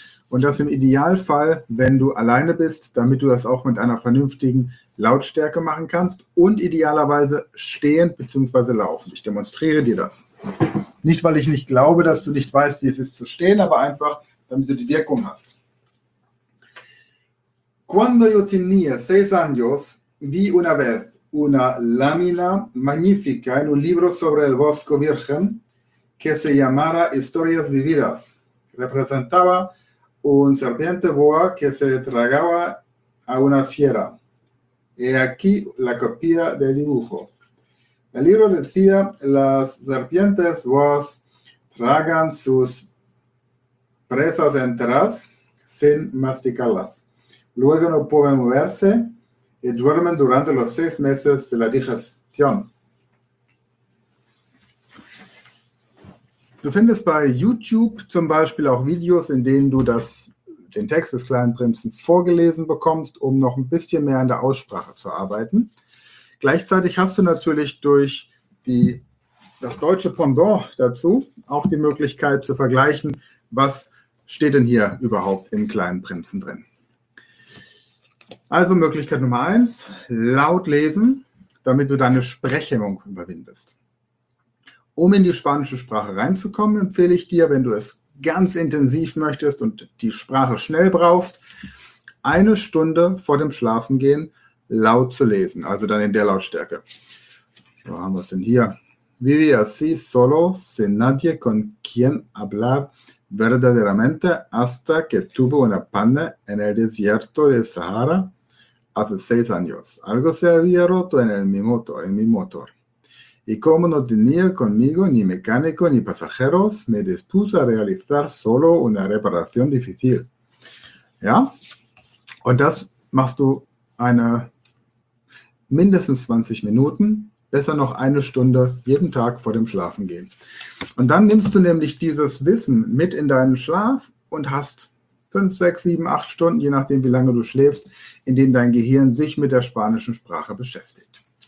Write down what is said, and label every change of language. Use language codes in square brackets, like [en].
[de] Und das im Idealfall, wenn du alleine bist, damit du das auch mit einer vernünftigen Lautstärke machen kannst und idealerweise stehend bzw. laufend. Ich demonstriere dir das. Nicht, weil ich nicht glaube, dass du nicht weißt, wie es ist zu stehen, aber einfach, damit du die Wirkung hast. [es] Cuando yo tenía seis años, vi una vez una lámina magnífica en un libro sobre el bosque virgen que se llamara Historias vividas. Representaba un serpiente boa que se tragaba a una fiera. He aquí la copia del dibujo. El libro decía, las serpientes boas tragan sus presas enteras sin masticarlas. Luego no pueden moverse y duermen durante los seis meses de la digestión. [de] Du findest bei YouTube zum Beispiel auch Videos, in denen du den Text des kleinen Prinzen vorgelesen bekommst, um noch ein bisschen mehr an der Aussprache zu arbeiten. Gleichzeitig hast du natürlich durch das deutsche Pendant dazu auch die Möglichkeit zu vergleichen, was steht denn hier überhaupt im kleinen Prinzen drin. Also Möglichkeit Nummer 1, laut lesen, damit du deine Sprechhemmung überwindest. Um in die spanische Sprache reinzukommen, empfehle ich dir, wenn du es ganz intensiv möchtest und die Sprache schnell brauchst, eine Stunde vor dem Schlafengehen laut zu lesen, also dann in der Lautstärke. Wo haben wir es denn hier? [es] Vivi así solo, sin nadie con quien hablar verdaderamente, hasta que tuve una panne en el desierto de Sahara hace seis años. Algo se había roto en mi motor. Y como no tenía conmigo ni mecánico ni pasajeros, me dispuse a realizar solo una reparación difícil. [de] Ja, und das machst du eine mindestens 20 Minuten, besser noch eine Stunde jeden Tag vor dem Schlafengehen. Und dann nimmst du nämlich dieses Wissen mit in deinen Schlaf und hast 5, 6, 7, 8 Stunden, je nachdem wie lange du schläfst, in denen dein Gehirn sich mit der spanischen Sprache beschäftigt.